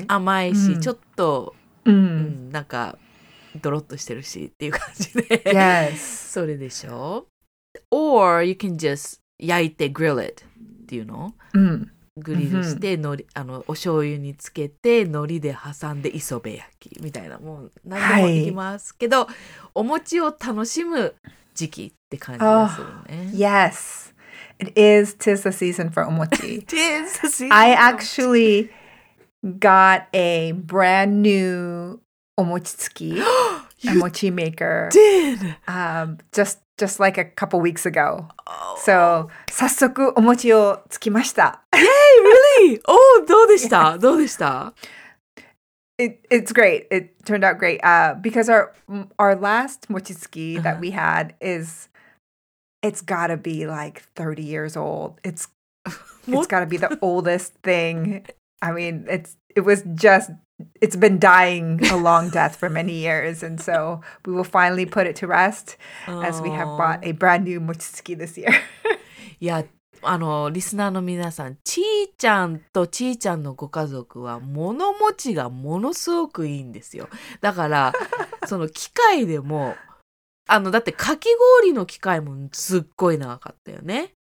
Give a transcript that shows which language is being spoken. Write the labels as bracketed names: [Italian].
[Japanese] ちょっと甘いし、ちょっと、なんか、ドロッとしてるしっていう感じで。 [English] Yes. [Japanese] それでしょ? [English] Or you can just [Japanese] 焼いて [English] grill it, do you know? [Japanese] グリルして、のり、あの、お醤油につけて、のりで挟んで、磯辺焼きみたいな、もう、何でもできますけど、お餅を楽しむ時期って感じがするね。 [English] Oh, yes. It is, tis the season for omochi. Tis the season. I actually got a brand new omochitsuki, omochi maker. Did? Just like a couple weeks ago. [Japanese] So, 早速お餅をつきました。 [English] Yay, really? Oh, [Japanese] どうでした?どうでした? [English] It's great. It turned out great. Because our last mochitsuki that we had is... It's gotta be like 30 years old. It's gotta be the oldest thing. I mean, it's been dying a long death for many years. And so we will finally put it to rest as we have bought a brand new mochitsuki this year. Yeah, [Japanese] あのリスナーの皆さん、ちーちゃんとちーちゃんのご家族は物持ちがものすごくいいんですよ。だからその機械でも、あのだってかき氷の機械もすっごい長かったよね。